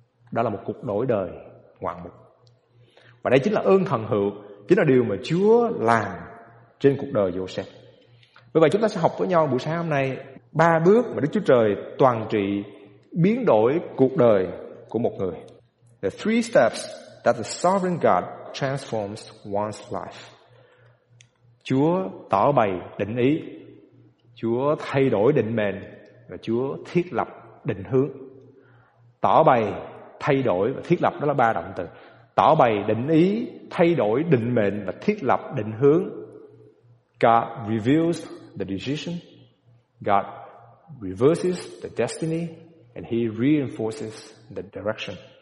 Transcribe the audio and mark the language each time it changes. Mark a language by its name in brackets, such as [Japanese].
[Vietnamese] Đó là một cuộc đổi đời ngoạn mục. Và đây chính là ơn thần hữu, chính là điều mà Chúa làm trên cuộc đời Joseph. Vì vậy chúng ta sẽ học với nhau buổi sáng hôm nay ba bước mà Đức Chúa Trời toàn trị biến đổi cuộc đời của một người. [English] The three steps that the sovereign God transforms one's life. [Vietnamese] Chúa tỏ bày định ý, Chúa thay đổi định mệnh và Chúa thiết lập định hướng. Tỏ bày, thay đổi và thiết lập, đó là ba động từ. Tỏ bày định ý, thay đổi định mệnh và thiết lập định hướng. [English] God reveals the decision, God reverses the destiny, and He reinforces the direction.